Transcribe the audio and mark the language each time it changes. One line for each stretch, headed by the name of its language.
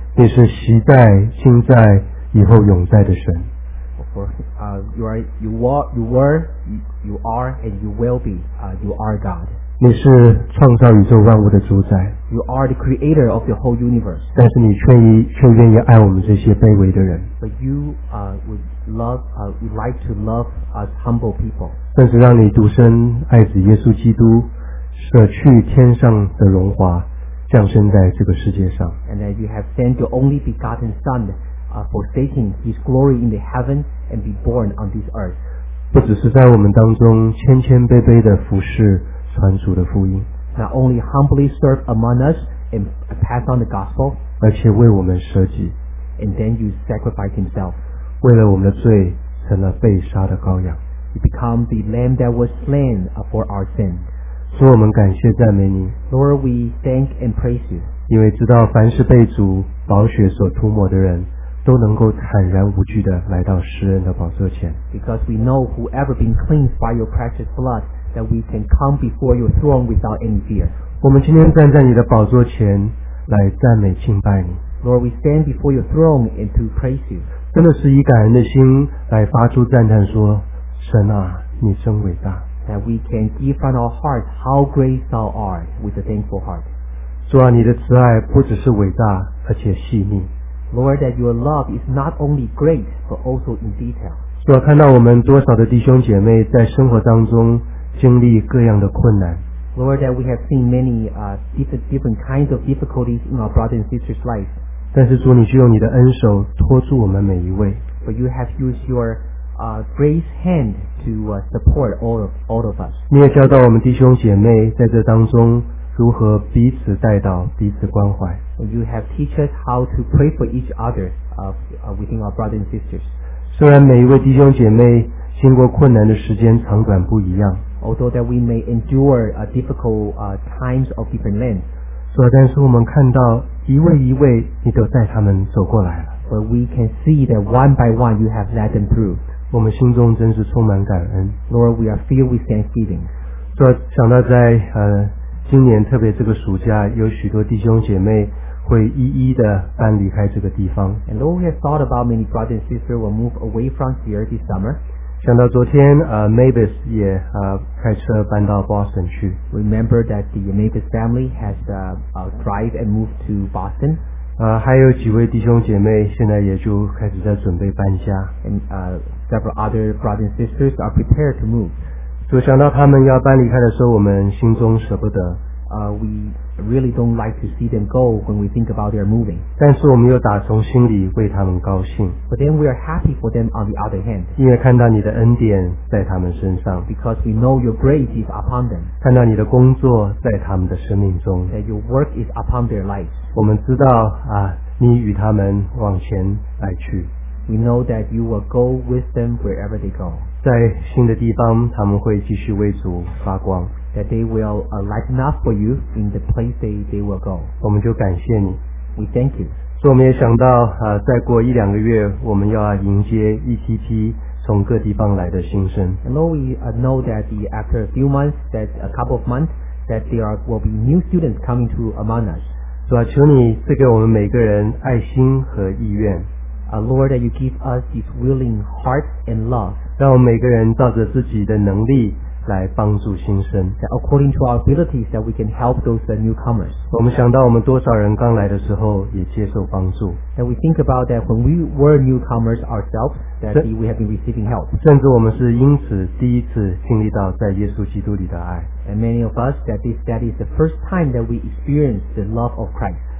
Chinese: 你是昔在、今在、以后永在的神。
English: You are, you were, you are, and you will be, you are God.
Chinese: 你是创造宇宙万物的主宰。
English: You are the creator of the whole universe.
Chinese: 但是你却愿意爱我们这些卑微的人。
English: But you, would like to love us humble people.
Chinese: 甚至让你独生爱子耶稣基督，舍去天上的荣华。降生在这个世界上
English: and that you have sent your only begotten son forsaking his glory in the heaven and be born on this earth
Chinese: 不只是在我们当中谦谦卑卑地服侍传主的福音
English: not only humbly serve among us and pass on the gospel
Chinese: 而且为我们舍己
English: and then you sacrifice himself
Chinese: 为了我们的罪成了被杀的羔羊
English: you become the lamb that was slain for our sins
Chinese: 主我们感谢赞美你
English: Lord we thank and praise you
Chinese: 因为知道凡是被主宝血所涂抹的人都能够坦然无惧地来到诗人的宝座前
English: Because we know whoever been cleansed by your precious blood that we can come before your throne without any fear
Chinese: 我们今天站在你的宝座前来赞美敬拜你
English: Lord we stand before your throne and to praise you
Chinese: 真的是以感恩的心来发出赞叹说神啊你真伟大
English: That we can give from our heart how great thou art with a thankful heart.
Chinese: 主啊，你的慈爱不只是伟大，而且细腻。
English: Lord, that your love is not only great, but also in detail.
Chinese: 主啊，看到我们多少的弟兄姐妹在生活当中经历各样的困难。
English: Lord, that we have seen many different kinds of difficulties in our brothers and sisters' life.
Chinese: 但是主，你就用你的恩手托住我们每一位。
English: But you have used your grace hand to support all of us.
Chinese: 你也教导我们弟兄姐妹在这当中如何彼此带导彼此关怀。
English: You have teach us how to pray for each other within our brothers and sisters.
Chinese: 虽然每一位弟兄姐妹经过困难的时间长短不一样。
English: Although that we may endure difficult times of different lengths.
Chinese: 主啊，但是我们看到一位一位你都带他们走过来了。
English: But we can see that one by one you have led them through.
Chinese: 我们心中真是充满感恩
English: Lord, we are filled with thanksgiving
Chinese: 想到在今年特别这个暑假，有许多弟兄姐妹会一一的搬离开这个地方。
English: And Lord, we have thought about many brothers and sisters will move away from here this summer.
Chinese: 想到昨天，Mavis 也开车搬到 Boston 去。
English: Remember that the Mavis family has drive and moved to Boston.
Chinese: 还有几位弟兄姐妹现在也就开始在准备搬家。
English: And several other brothers and sisters are prepared to move.
Chinese: 所以想到他们要搬离开的时候，我们心中舍不得。
English: We really don't like to see them go when we think about their moving.
Chinese: 但是我们又打从心里为他们高兴。
English: But then we are happy for them on the other hand.
Chinese: 因为看到你的恩典在他们身上。
English: Because we know your grace is upon them.
Chinese: 看到你的工作在他们的生命中。
English: That your work is upon their lives.
Chinese: 我们知道啊，你与他们往前来去。
English: We know that you will go with them wherever they go.
Chinese: 在新的地方，他们会继续为主发光。
English: That they will lighten up for you in the place they will go.
Chinese: 我们就感谢你。
English: We thank you.
Chinese: 所以我们也想到，再过一两个月，我们要迎接一批批从各地方来的新生。
English: And Lord, we know that after a few months, that a couple of months, that there will be new students coming to among us.
Chinese: 主啊，求你赐给我们每个人爱心和意愿。
English: Lord, that you give us this willing heart and love.
Chinese: 让我们每个人照着自己的能力。来帮助新生
English: that according to our abilities that we can help those newcomers
Chinese: 我们想到我们多少人刚来的时候也接受帮助
English: that we think about that when we were newcomers ourselves that we have been receiving help
Chinese: 甚至我们是因此第一次经历到在耶稣基督里的爱
English: and many of us that is the first time that we experienced the love of Christ